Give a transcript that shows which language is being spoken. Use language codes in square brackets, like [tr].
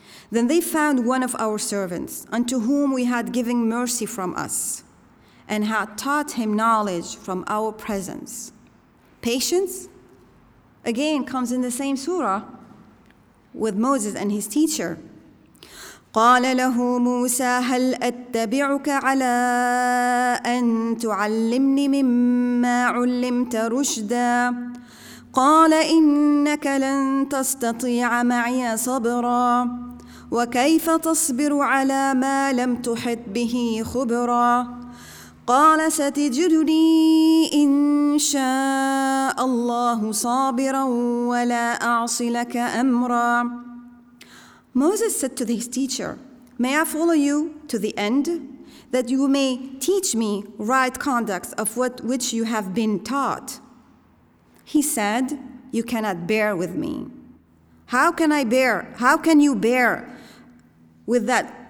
[en] Then they found one of our servants, unto whom we had given mercy from us, and had taught him knowledge from our presence. Patience, again, comes in the same surah with Moses and his teacher. [ar] قال له موسى هل أتبعك على أن تعلمني مما علمت رشدا قال إنك لن تستطيع معي صبرا وكيف تصبر على ما لم تحط به خبرا قال ستجدني إن شاء الله صابرا ولا أعصي لك أمرا. [en] Moses said to his teacher, may I follow you to the end, that you may teach me right conducts of what which you have been taught. He said, you cannot bear with me. How can you bear with that